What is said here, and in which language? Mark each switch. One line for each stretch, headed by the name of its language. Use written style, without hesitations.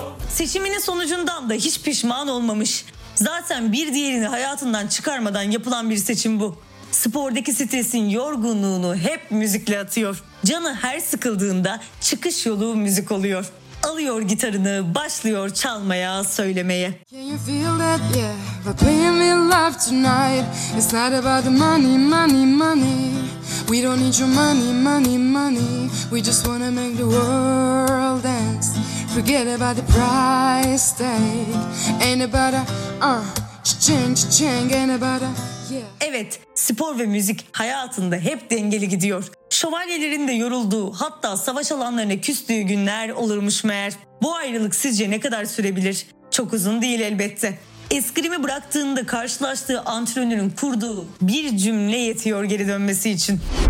Turkish: Seçiminin sonucundan da hiç pişman olmamış. Zaten bir diğerini hayatından çıkarmadan yapılan bir seçim bu. Spordaki stresin yorgunluğunu hep müzikle atıyor. Canı her sıkıldığında çıkış yolu müzik oluyor. Alıyor gitarını, başlıyor çalmaya, söylemeye.
English: Can you feel that? Yeah, we're playing with love tonight. It's not about the money, money, money. We don't need your money, money, money. We just wanna make the world dance. Forget about the price tag. Ain't about a change, change. Ain't about a yeah.
Turkish: Evet, spor ve müzik hayatında hep dengeli gidiyor. Şövalyelerin de yorulduğu, hatta savaş alanlarına küstüğü günler olurmuş meğer. Bu ayrılık sizce ne kadar sürebilir? Çok uzun değil elbette. Eskrimi bıraktığında karşılaştığı antrenörün kurduğu bir cümle yetiyor geri dönmesi için.